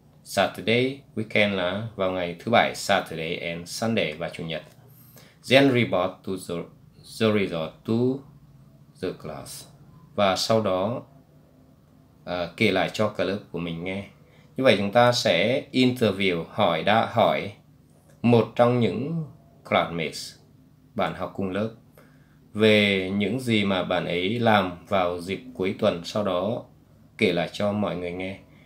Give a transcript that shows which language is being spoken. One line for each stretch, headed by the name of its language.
Vietnamese: Saturday, weekend là vào ngày thứ bảy,
English: Saturday and Sunday
Vietnamese: và chủ nhật.
English: Then report to the result to the class.
Vietnamese: Và sau đó kể lại cho cả lớp của mình nghe. Như vậy chúng ta sẽ interview, hỏi một trong những classmates, bạn học cùng lớp, về những gì mà bạn ấy làm vào dịp cuối tuần, sau đó kể lại cho mọi người nghe.